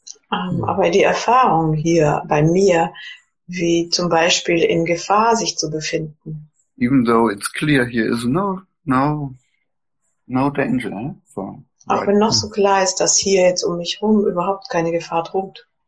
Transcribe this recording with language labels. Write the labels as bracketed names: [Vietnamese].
[German] Aber die Erfahrung hier bei mir, wie zum Beispiel in Gefahr sich zu befinden. [English] Even though it's clear here is no danger. For [German] auch wenn noch so klar ist, dass hier jetzt um mich herum überhaupt keine Gefahr droht.